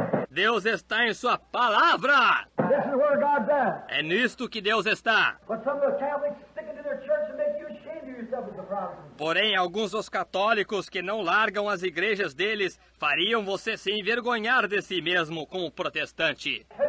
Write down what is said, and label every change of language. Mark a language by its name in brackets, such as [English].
[Portuguese] Deus está em sua palavra. É nisto que Deus está. [English] But some of the Catholics stick into their church and make you ashamed of yourself. [Portuguese] Porém, alguns dos católicos que não largam as igrejas deles fariam você se envergonhar de si mesmo como protestante.